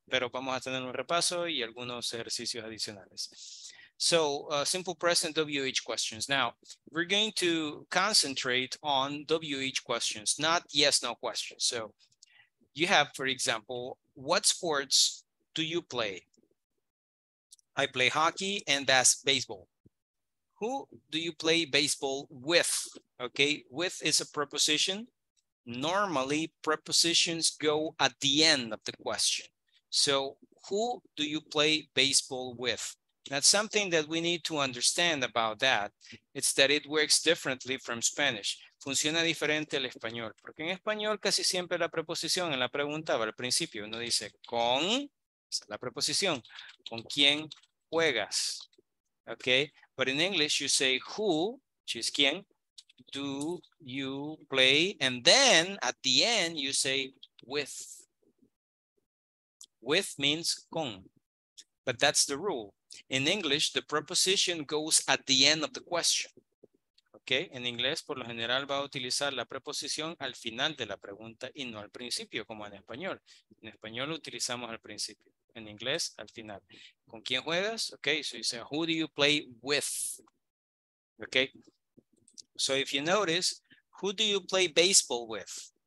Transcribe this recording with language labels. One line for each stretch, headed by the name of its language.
Spanish: Pero vamos a tener un repaso y algunos ejercicios adicionales.
English: So simple present WH questions. Now, we're going to concentrate on WH questions, not yes, no questions. So you have, for example, what sports do you play? I play hockey and that's baseball. Who do you play baseball with? Okay, with is a preposition. Normally, prepositions go at the end of the question. So who do you play baseball with? That's something that we need to understand about that. It's that it works differently from Spanish.
Spanish: Funciona diferente al español. Porque en español casi siempre la preposición en la pregunta va al principio. Uno dice con, es la preposición, con quién juegas, okay?
English: But in English, you say who, which is quién, do you play? And then at the end, you say with. With means con, but that's the rule. In English, the preposition goes at the end of the question, okay?
Spanish: En inglés, por lo general, va a utilizar la preposición al final de la pregunta y no al principio, como en español. En español, utilizamos al principio. En inglés, al final. ¿Con quién juegas?
English: Okay, so you say, who do you play with? Okay, so if you notice, who do you play baseball with?